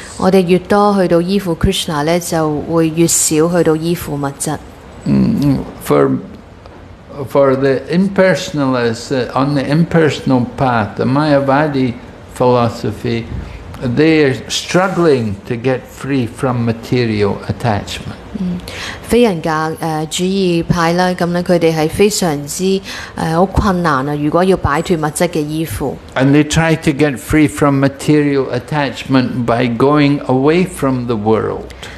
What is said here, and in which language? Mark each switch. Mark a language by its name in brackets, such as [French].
[Cantonese] 我哋越多去到依附Krishna咧，就會越少去到依附物質。 [English] For the impersonalists, on the impersonal path, the Mayavadi philosophy, they are struggling to get free from material attachment. [Cantonese] 非人格主義派咧，咁咧佢哋係非常之好困難啊！如果要擺脱物質嘅依附， [English] and they try to get free from material attachment by going away from the world.